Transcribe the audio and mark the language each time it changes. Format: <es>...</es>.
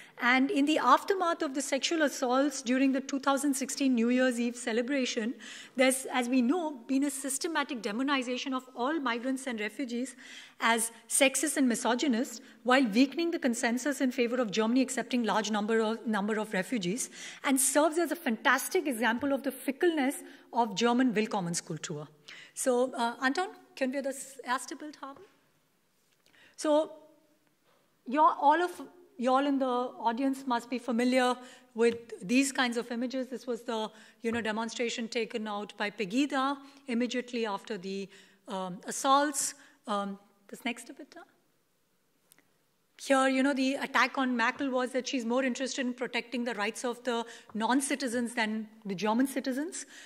<en>And in the aftermath of the sexual assaults during the 2016 New Year's Eve celebration, there's, as we know, been a systematic demonization of all migrants and refugees as sexist and misogynist, while weakening the consensus in favor of Germany accepting large number of refugees, and serves as a fantastic example of the fickleness of German Willkommenskultur.</en> <de>So, Anton, können wir das erste Bild haben?</de> <en>So, you all in the audience must be familiar with these kinds of images. This was the demonstration taken out by Pegida immediately after the assaults. This next bit. Here, the attack on Merkel was that she's more interested in protecting the rights of the non-citizens than the German citizens.</en>